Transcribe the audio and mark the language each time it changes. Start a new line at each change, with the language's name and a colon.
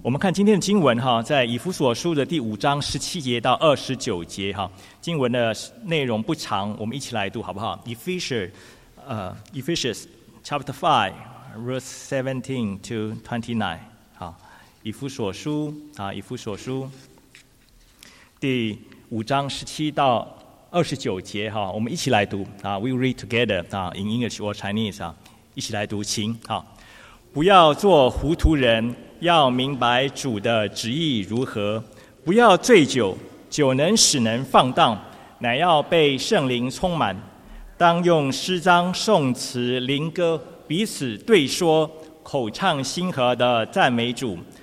Chinese: 我们看今天的经文，在以弗所书的第五章十七节到二十九节，经文的内容不长，我们一起来读好不好？
English: Ephesians chapter 5 verse 17 to 29，
Chinese: 以弗所书第五章十七到二十九节，我们一起来读。
English: We read together in English or Chinese，
Chinese: 一起来读，请。不要做糊涂人，要明白主的旨意如何。不要醉酒，酒能使人放荡，乃要被圣灵充满。当用诗章、颂词、灵歌彼此对说，口唱心和的赞美主。